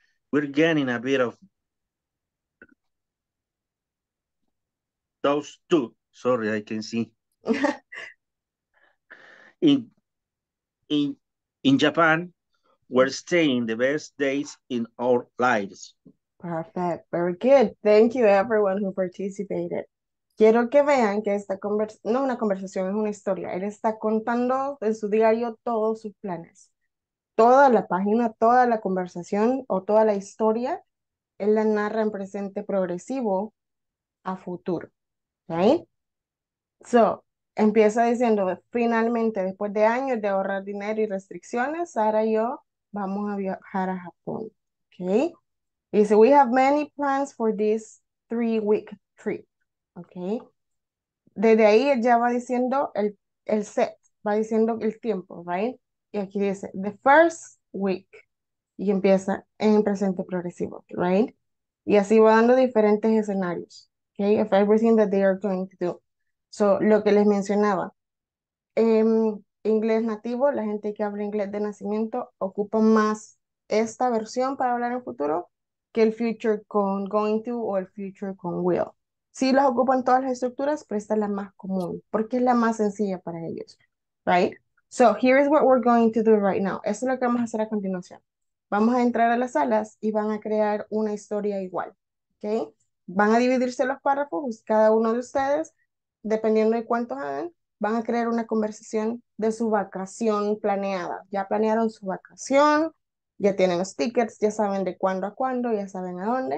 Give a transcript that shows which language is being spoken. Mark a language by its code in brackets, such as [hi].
[en] We're getting a bit of those two. Sorry, I can see. in Japan, we're staying the best days in our lives. Perfect. Very good. Thank you, everyone who participated. [es] Quiero que vean que esta conversación, no una conversación, es una historia. Él está contando en su diario todos sus planes. Toda la página, toda la conversación o toda la historia, él la narra en presente progresivo a futuro. Right? So, empieza diciendo, finalmente, después de años de ahorrar dinero y restricciones, Sara y yo vamos a viajar a Japón. [en] Okay? He said, we have many plans for this 3-week trip. Okay. [es] Desde ahí ya va diciendo el set, va diciendo el tiempo, right? Y aquí dice, the first week, y empieza en presente progresivo, right? Y así va dando diferentes escenarios, okay? [en] Of everything that they are going to do. [es] So, lo que les mencionaba, inglés nativo, la gente que habla inglés de nacimiento, ocupa más esta versión para hablar en futuro que el future con going to o el future con will. Si las ocupan todas las estructuras, pero esta es la más común, porque es la más sencilla para ellos, right? [en] So, here is what we're going to do right now. [es] Eso es lo que vamos a hacer a continuación. Vamos a entrar a las salas y van a crear una historia igual, okay? Van a dividirse los párrafos, cada uno de ustedes, dependiendo de cuántos hagan, van a crear una conversación de su vacación planeada. Ya planearon su vacación, ya tienen los tickets, ya saben de cuándo a cuándo, ya saben a dónde.